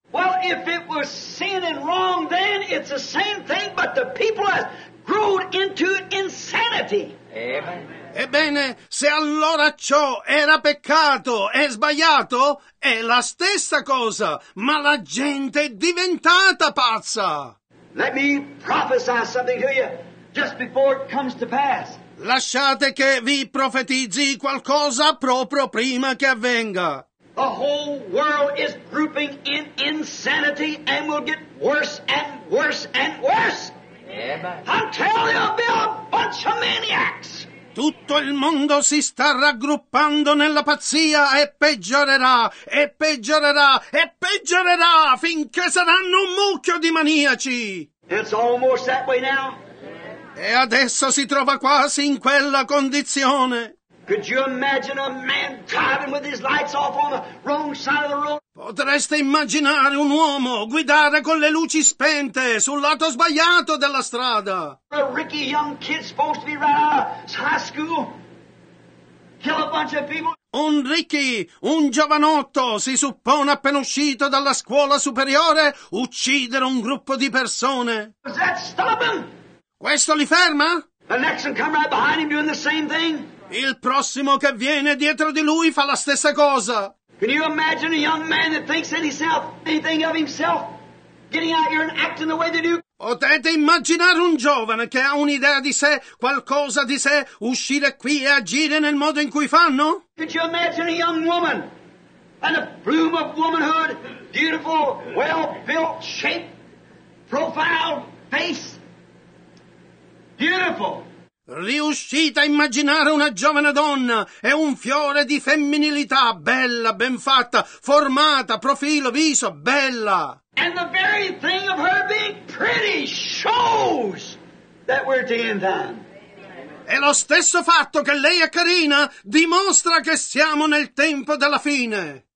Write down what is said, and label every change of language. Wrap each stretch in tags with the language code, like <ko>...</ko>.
<en>Well, if it was sin and wrong then, it's the same thing, but the people have grown into insanity. Amen.</en> <it>Ebbene, se allora ciò era peccato e sbagliato, è la stessa cosa, ma la gente è diventata pazza.</it> <en>Let me prophesy something to you just before it comes to pass.</en> <it>Lasciate che vi profetizzi qualcosa proprio prima che avvenga.</it> <en>The whole world is grouping in insanity and will get worse and worse and worse. Yeah, but... I'll tell you, there'll be a bunch of maniacs.</en> <it>Tutto il mondo si sta raggruppando nella pazzia e peggiorerà, e peggiorerà, e peggiorerà finché saranno un mucchio di maniaci.</it> <en>It's almost that way now.</en> <it>E adesso si trova quasi in quella condizione.</it> <en>Could you imagine a man driving with his lights off on the wrong side of the road?</en> <it>Potreste immaginare un uomo guidare con le luci spente sul lato sbagliato della strada?</it> <en>A ricky young kid supposed to be right out of high school? Kill a bunch of people?</en> <it>Un ricky, un giovanotto, si suppone appena uscito dalla scuola superiore, uccidere un gruppo di persone.</it> <en>Is that stopping?</en> <it>Questo li ferma?</it> <en>The next one come right behind him doing the same thing?</en> <it>Il prossimo che viene dietro di lui fa la stessa cosa.</it> <en>Can you imagine a young man that thinks anything of himself getting out here and acting the way they do?</en> <it>Potete immaginare un giovane che ha un'idea di sé, qualcosa di sé, uscire qui e agire nel modo in cui fanno?</it> <en>Could you imagine a young woman and a bloom of womanhood, beautiful, well-built, shaped, profile, face, beautiful?</en> <it>Riuscite a immaginare una giovane donna e un fiore di femminilità, bella, ben fatta, formata, profilo, viso, bella.</it> <en>And the very thing of her being pretty shows that we're to end time.</en> <it>E lo stesso fatto che lei è carina dimostra che siamo nel tempo della fine.</it>